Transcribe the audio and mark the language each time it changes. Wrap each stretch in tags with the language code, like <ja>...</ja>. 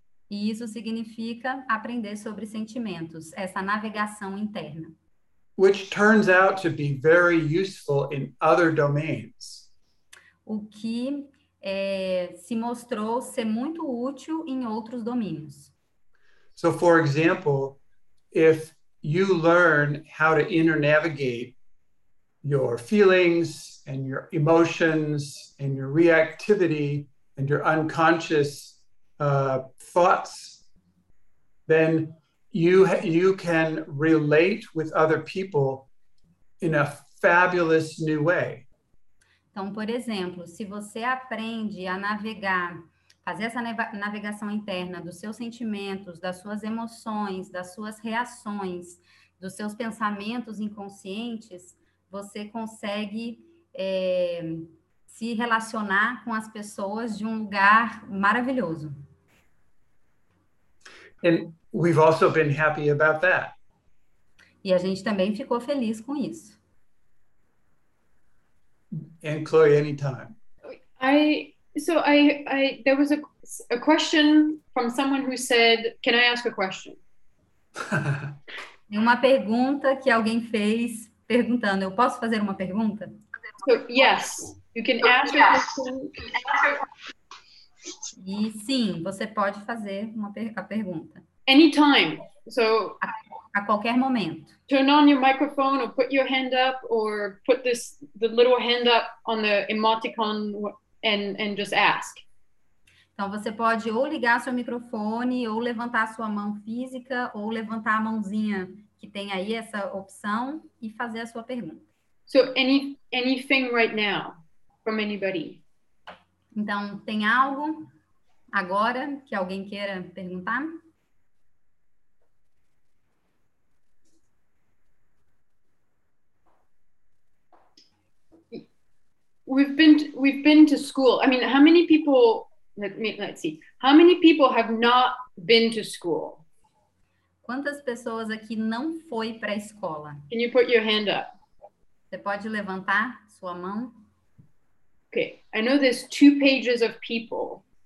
<pt>E isso significa aprender sobre sentimentos, essa navegação interna.</pt> <en>Which turns out to be very useful in other domains.</en> <pt>O que se mostrou ser muito útil em outros domínios.</pt> <en>So, for example, if you learn how to inter-navigate your feelings and your emotions and your reactivity and your unconscious thoughts, then you can relate with other people in a fabulous new way.</en> <pt>Então, por exemplo, se você aprende a fazer essa navegação interna dos seus sentimentos, das suas emoções, das suas reações, dos seus pensamentos inconscientes, você consegue se relacionar com as pessoas de um lugar maravilhoso.</pt> <en>And we've also been happy about that.</en> <pt>E a gente também ficou feliz com isso.</pt> <en>And Chloe, anytime. There was a question from someone who said, can I ask a question?</en> <pt>Uma pergunta que alguém fez perguntando, eu posso fazer uma pergunta?</pt> <en>So, yes, you can ask a question.</en> <pt>E sim, você pode fazer a pergunta.</pt> <en>Anytime. So,</en> <pt>a qualquer momento.</pt> <en>Turn on your microphone or put your hand up or put the little hand up on the emoticon and just ask.</en> <pt>Então você pode ou ligar seu microfone ou levantar sua mão física ou levantar a mãozinha que tem aí essa opção e fazer a sua pergunta.</pt> <en>So anything right now from anybody?</en> <pt>Então, tem algo agora que alguém queira perguntar?</pt> <en>We've been to school. I mean, how many people, let's see, how many people have not been to school?</en> <pt>Quantas pessoas aqui não foi para a escola?</pt> <en>Can you put your hand up?</en> <pt>Você pode levantar sua mão?</pt> <en>Okay, I know there's two pages of people.</en>